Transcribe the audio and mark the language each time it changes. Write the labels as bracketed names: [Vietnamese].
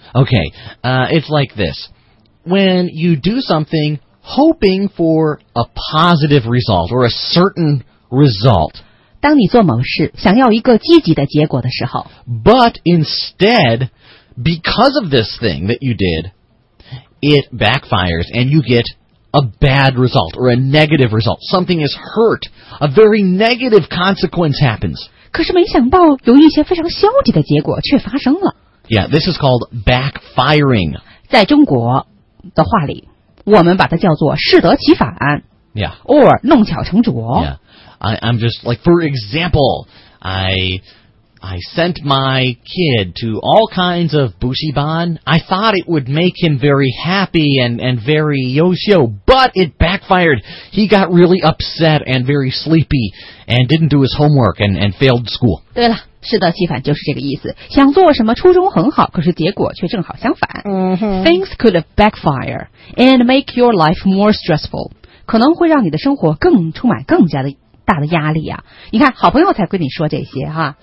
[English] Okay, it's like this When you do somethingHoping for a positive result or a certain result. [Chinese] 当你做某事，想要一个积极的结果的时候。 [English] But instead, because of this thing that you did, it backfires and you get a bad result or a negative result. Something is hurt. A very negative consequence happens. [Chinese] 可是没想到有一些非常消极的结果却发生了。 [English] Yeah, this is called backfiring. [Chinese] 在中国的话里。我们把它叫做适得其反 [English] Yeah. [Chinese] Or 弄巧成拙 [English] Yeah. I'm just like, for example, I sent my kid to all kinds of 补习班. I thought it would make him very happy and very 优秀, but it backfired. He got really upset and very sleepy and didn't do his homework and failed school. [Chinese] 对了适得其反就是这个意思想做什么初衷很好可是结果却正好相反、 mm-hmm. [English] Things could backfire and make your life more stressful [Chinese] 可能会让你的生活更充满更加的大的压力啊你看好朋友才跟你说这些哈